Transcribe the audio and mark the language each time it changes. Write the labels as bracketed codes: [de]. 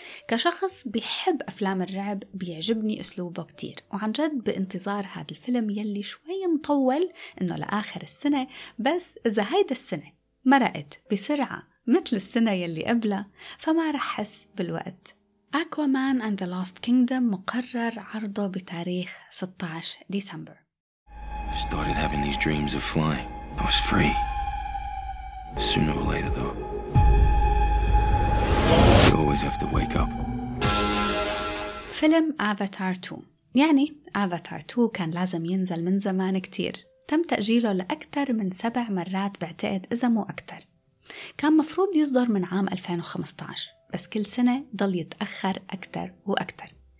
[ar] كشخص بيحب أفلام الرعب بيعجبني أسلوبه كتير، وعن جد بانتظار هذا الفيلم يلي شوي مطول إنه لآخر السنة، بس إذا هيدا السنة مرقت بسرعة مثل السنة يلي قبلها فما رح حس بالوقت. Aquaman and the Lost Kingdom مقرر عرضه بتاريخ 16 ديسمبر. [en] Started having these dreams of flying. I was free. Sooner or later though, always have to wake up. [ar] فيلم Avatar 2، يعني Avatar 2 كان لازم ينزل من زمان كتير. تم تأجيله لأكثر من 7 مرات بعتقد، إذا مو أكثر. كان مفروض يصدر من عام 2015، بس كل سنة ضل يتأخر أكثر وأكثر.